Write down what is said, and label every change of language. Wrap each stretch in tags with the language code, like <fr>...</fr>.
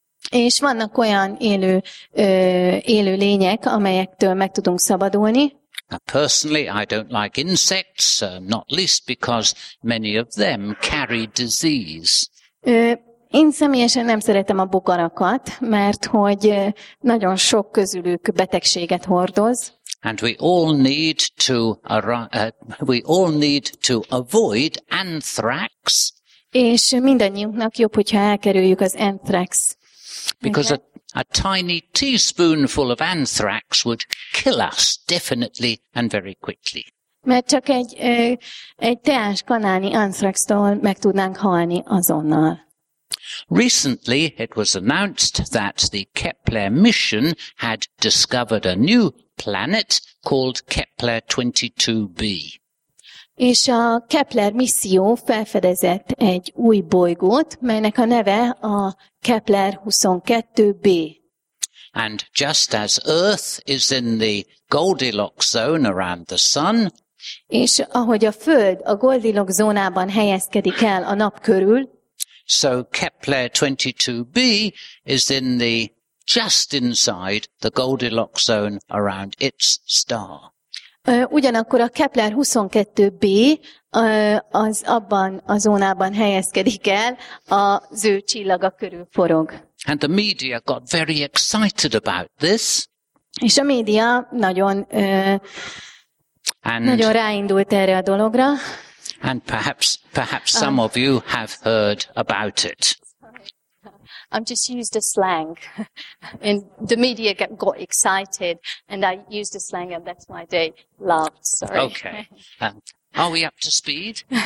<hu>És vannak olyan élő lények, amelyektől meg tudunk szabadulni.</hu> <en>Now personally, I don't like insects, not least because many of them carry disease.</en> <hu>Én személyesen nem szeretem a bogarakat, mert hogy nagyon sok közülük betegséget hordoz.</hu> <en>And we all need to avoid anthrax.</en> <hu>És mindannyiunknak jobb, hogyha elkerüljük az anthrax.</hu> <en>Because a tiny teaspoonful of anthrax would kill us definitely and very quickly.</en> <hu>Mert csak egy teáskanálnyi anthraxtól meg tudnánk halni azonnal.</hu> <en>Recently, it was announced that the Kepler mission had discovered a new planet called Kepler-22b.</en> <hu>És a Kepler misszió felfedezett egy új bolygót, melynek a neve a Kepler-22b.</hu> <en>And just as Earth is in the Goldilocks zone around the sun,</en> <hu>és ahogy a Föld a Goldilocks zónában helyezkedik el a nap körül,</hu> <en>so Kepler-22b is in the just inside the Goldilocks zone around its star.</en> <hu>Ugyanakkor a Kepler 22b az abban a zónában helyezkedik el, az ő csillaga körül forog.</hu> <en>And the media got very excited about this.</en> <hu>És a média nagyon nagyon ráindult erre a dologra.</hu> <en>And perhaps some of you have heard about it. I'm just used a slang, and the media got excited, and I used a slang, and that's why they laughed. Sorry. Okay. Are we up to speed?</en>